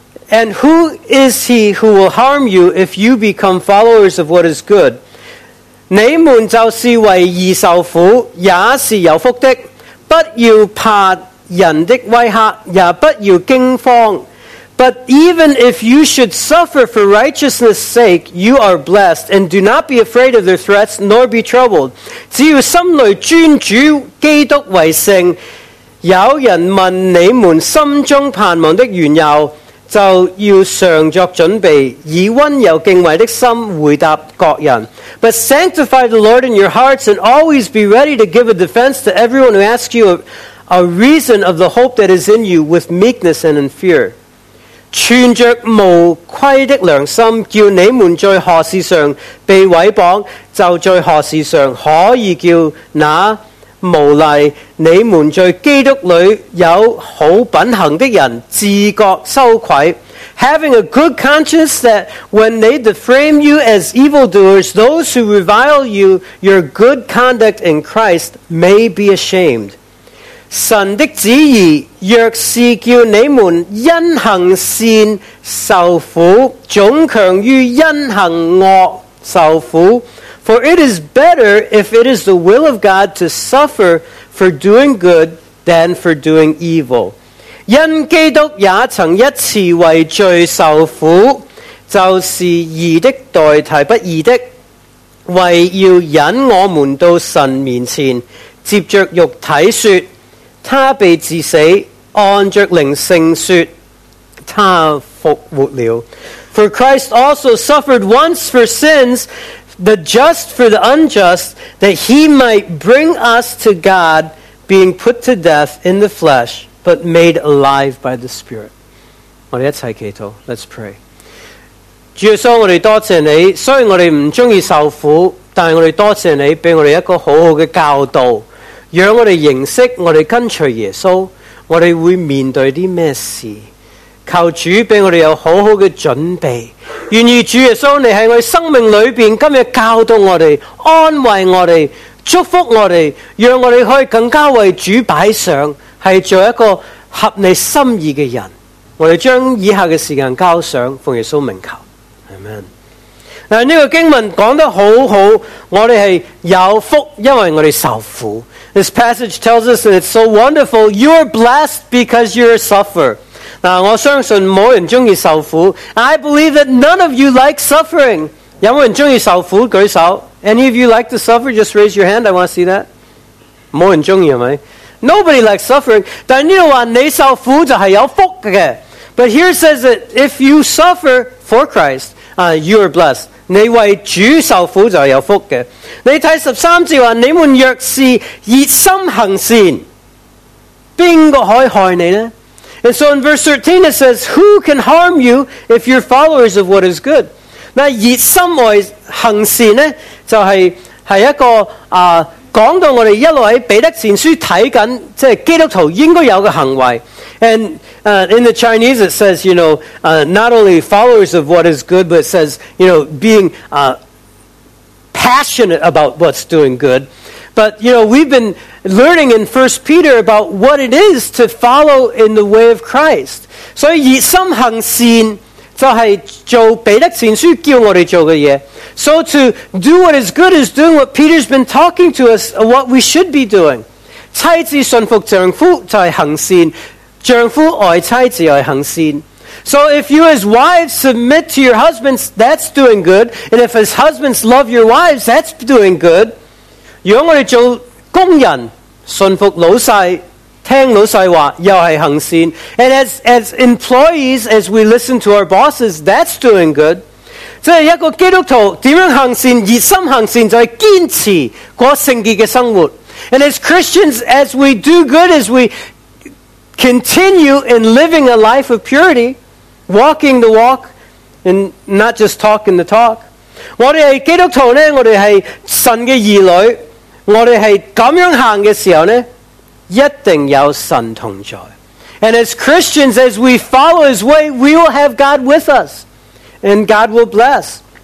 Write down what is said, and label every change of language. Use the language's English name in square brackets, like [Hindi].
[English] And who is he who will harm you if you become followers of what is good? [Chinese] 你们就是为义受苦，也是有福的。不要怕人的威吓，也不要惊慌。 But even if you should suffer for righteousness' sake, you are blessed, and do not be afraid of their threats, nor be troubled. 只要心里尊主基督为圣，有人问你们心中盼望的缘由，就要常作准备，以温柔敬畏的心回答各人。 But sanctify the Lord in your hearts, and always be ready to give a defense to everyone who asks you a reason of the hope that is in you with meekness and in fear. 存着无愧的良心，叫你们在何事上被毁谤，就在何事上可以叫那無禮，你們在基督裏有好品行的人自覺羞愧。 [English] Having a good conscience that when they defame you as evildoers, those who revile you, your good conduct in Christ may be ashamed. [Chinese] 神的旨意若是叫你们因行善受苦，总强于因行恶受苦。 [English] For it is better if it is the will of God to suffer for doing good than for doing evil. [Chinese] 因基督也曾一次为罪受苦，就是义的代替不义的，为要引我们到神面前，接着肉体说他被致死，按着灵性说他复活了。 [English] For Christ also suffered once for sins, the just for the unjust, that he might bring us to God, being put to death in the flesh, but made alive by the Spirit. [Chinese] 我们一起祈祷， [English] let's pray. [Chinese] 主耶稣，我们多谢你，虽然我们不喜欢受苦，但我们多谢你给我们一个好好的教导，让我们认识我们跟随耶稣我们会面对什么事。求主给我们有好好的准备，愿意主耶稣你在我们生命里面今天教导我们，安慰我们，祝福我们，让我们可以更加为主摆上，是做一个合你心意的人。我们将以下的时间交上，奉耶稣名求， Amen。这个经文讲得很好，我们是有福，因为我们受苦。 [English] This passage tells us that it's so wonderful, you are blessed because you suffer. [Chinese] 我相信没人喜欢受苦。 [English] I believe that none of you like suffering. [Chinese] 有没有人喜欢受苦？举手。 [English] Any of you like to suffer? Just raise your hand, I want to see that. [Chinese] 没人喜欢，是吗？ [English] Nobody likes suffering. [Chinese] 但这个话，你受苦就是有福的。 [English] But here it says that if you suffer for Christ,you are blessed. [Chinese] 你为主受苦就是有福的。你看十三节说，你们若是热心行善，谁可以害你呢？ [English] And so in verse 13 it says, who can harm you if you're followers of what is good? [Chinese] 那热心爱行善呢，就是一个讲到我们一路在彼得前书看着，就是基督徒应该有的行为。 [English] And in the Chinese it says, you know, not only followers of what is good, but it says, you know, being passionate about what's doing good. But, you know, we've been learning in 1 Peter about what it is to follow in the way of Christ. [Chinese] 所以热心行善就是做彼得前书叫我们做的事。 [English] So to do what is good is doing what Peter's been talking to us, what we should be doing. [Chinese] 妻子顺服丈夫就是行善，丈夫爱妻子爱行善。 [English] So if you as wives submit to your husbands, that's doing good. And if as husbands love your wives, that's doing good. [Chinese] 如果我们做工人，顺服老细，听老细话，又是行善。 [English] And as employees, as we listen to our bosses, that's doing good. [Chinese] 即是一个基督徒怎样行善，热心行善就是坚持过圣洁的生活。 [English] And as Christians, as we do good, as we continue in living a life of purity, walking the walk, and not just talking the talk. [Chinese] 我们是基督徒呢，我们是神的儿女，我们是这样行的时候呢，一定有神同在。 [English] And as Christians, as we follow His way, we will have God with us, and God will bless.